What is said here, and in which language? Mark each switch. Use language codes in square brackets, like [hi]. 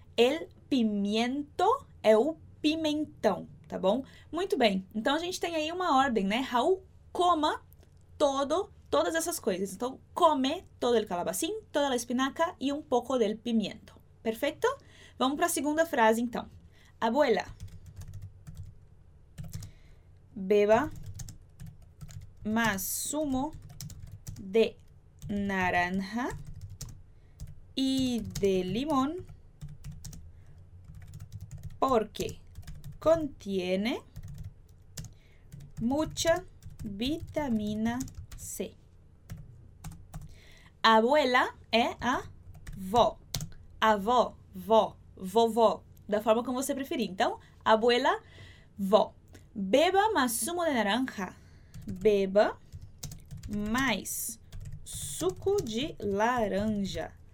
[pt] El pimiento é o pimentão, tá bom? Muito bem. Então a gente tem aí uma ordem, né? Raul coma todas essas coisas. [es] Então, come todo el calabacín, toda la espinaca y un poco del pimiento. Perfecto? [pt] Vamos para a segunda frase, então. [es] Abuela, beba más zumo de naranja y de limón porque contiene mucha vitamina C. [pt] Abuela é a vó. Avó, vó, vovó, da forma como você preferir. Então, abuela, vó. Beba mais [es] zumo de naranja. [pt] Beba mais suco de laranja.